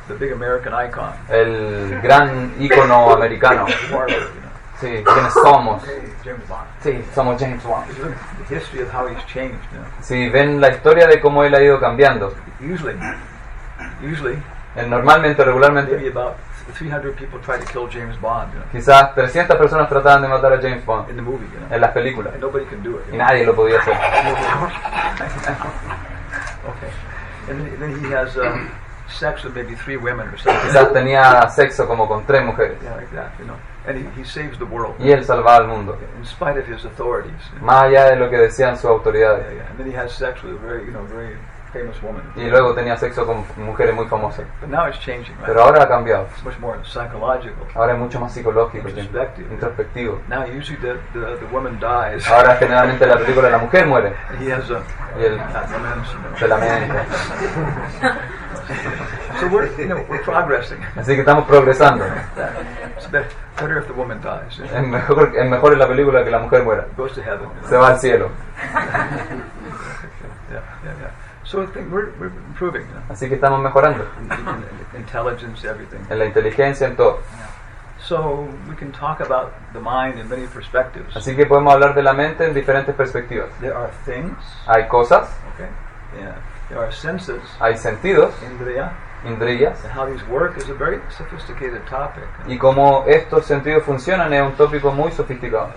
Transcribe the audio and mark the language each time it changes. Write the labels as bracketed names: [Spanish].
[English] the big American icon, [Spanish] el gran ícono americano. Sí, ¿quiénes somos? [English] Hey, James Bond. [Spanish] Sí, somos James Bond. [English] The history of how he's changed, you know? [Spanish] Sí, ven la historia de cómo él ha ido cambiando. [English] Usually, [Spanish] normalmente, regularmente, [English] maybe about 300 people try to kill James Bond, you know? [Spanish] Quizás 300 personas trataban de matar a James Bond [English] in the movie, you know? [Spanish] En las películas. [English] And nobody can do it, y know? [Spanish] Nadie lo podía hacer. [English] Okay. And then he has sex with maybe three women or something. [Spanish] Quizás tenía sexo como con tres mujeres. [English] Yeah, like that, you know? And he saves the world. [Spanish] Y él salvaba al mundo. [English] In spite of his authorities. [Spanish] Más allá de lo que decían sus autoridades. [English] Yeah, yeah. And then he has sex with a very, you know, very famous woman. [Spanish] Y luego tenía sexo con mujeres muy famosas. [English] But now it's changing, right? [Spanish] Pero ahora ha cambiado. [English] It's much more psychological. [Spanish] Ahora es mucho más psicológico. [English] Introspective. [Spanish] Introspectivo. [English] Now usually the woman dies. [Spanish] Ahora generalmente la película la mujer muere. [English] He has a, [Spanish] y él se lamenta. [English] So we're, you know, we're progressing. [Spanish] Así que estamos progresando. [English] Better if the woman dies. [Spanish] Es mejor en la película que la mujer muera. [English] Goes to heaven. [Spanish] Se va al cielo. [English] Yeah. So we're improving. You know? [Spanish] Así que estamos mejorando. [English] Intelligence, everything. [Spanish] En la inteligencia, en todo. [English] So we can talk about the mind in many perspectives. [Spanish] Así que podemos hablar de la mente en diferentes perspectivas. [English] There are things. [Spanish] Hay cosas. [English] Okay. Yeah. There are senses. [Spanish] Hay sentidos. [English] Indriya. [Spanish] Indriyas. [English] And how these work is a very sophisticated topic. [Spanish] Y cómo estos sentidos funcionan es un tópico muy sofisticado.